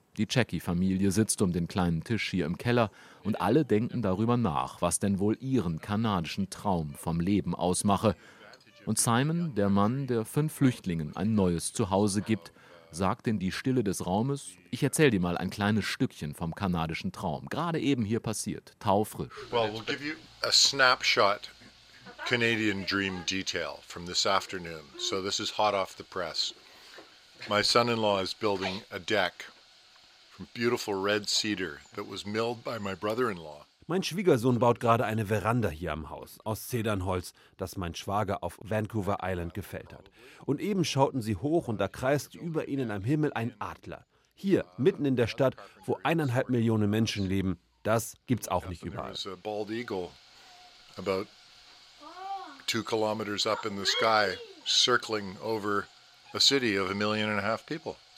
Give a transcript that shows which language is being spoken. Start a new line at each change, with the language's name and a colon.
German: Die Jackie-Familie sitzt um den kleinen Tisch hier im Keller und alle denken darüber nach, was denn wohl ihren kanadischen Traum vom Leben ausmache. Und Simon, der Mann, der 5 Flüchtlingen ein neues Zuhause gibt, sagt in die Stille des Raumes, ich erzähl dir mal ein kleines Stückchen vom kanadischen Traum, gerade eben hier passiert, taufrisch.
English: Well, we'll give you a snapshot Canadian dream detail from this afternoon. So this is hot off the press. My son-in-law is building a deck. Beautiful red cedar that was milled by my brother-in-law.
German: Mein Schwiegersohn baut gerade eine Veranda hier am Haus aus Zedernholz, das mein Schwager auf Vancouver Island gefällt hat. Und eben schauten sie hoch und da kreist über ihnen am Himmel ein Adler. Hier, mitten in der Stadt, wo 1,5 Millionen Menschen leben, das gibt's auch nicht überall.
English: There's a bald eagle about 2 kilometers up in the sky circling over a city of 1.5 million people.